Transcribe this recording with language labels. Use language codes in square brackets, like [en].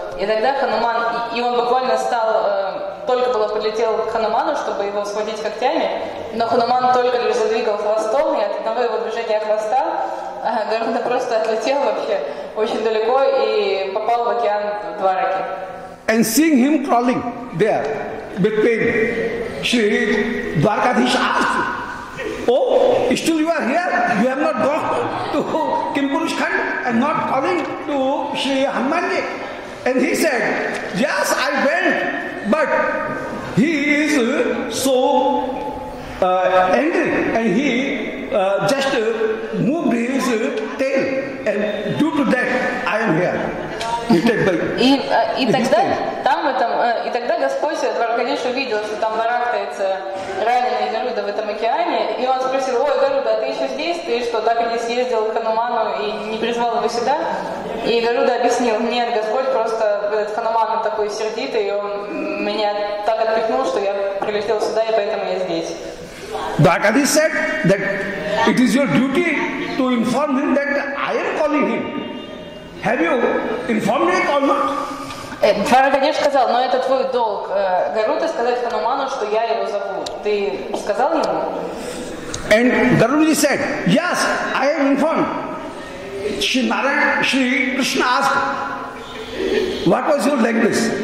[ru] И тогда Хануман, и он буквально стал... только было подлетел к Хануману, чтобы его схватить когтями, но Хануман только лишь задвигал хвостом, и от одного его движения хвоста Гаруда просто отлетел вообще очень далеко и попал в океан Двараки. [en] And seeing him crawling there with pain, Shri Dwarkadhish asked, oh, still you are here? You have not gone to Kimpurush Khan and not calling to Shri Hanumanji? And he said, yes, I went. But he is so angry and he just moved his tail and due to that I am here. [ru] И тогда Господь Дваракадиш увидел, что там барахтается раненый Гаруда в этом океане, и он спросил: «Ой, Гаруда, а ты еще здесь? Ты что, так и не съездил к Хануману и не призвал его сюда?» И Гаруда объяснил: «Нет, Господь просто этот Хануман такой сердитый, и он меня так отпихнул, что я прилетел сюда, и поэтому я здесь». [en] Дваракадиш said that it is your duty to inform him that I am calling him. Have you informed it or not? [ru] Дваракадиш сказал, но это твой долг, Гаруда, сказать Хануману, что я его зову. Ты сказал ему? [en] And Garudji said, yes, I have informed. Shri Narayan, Shri Krishna asked, what was your language?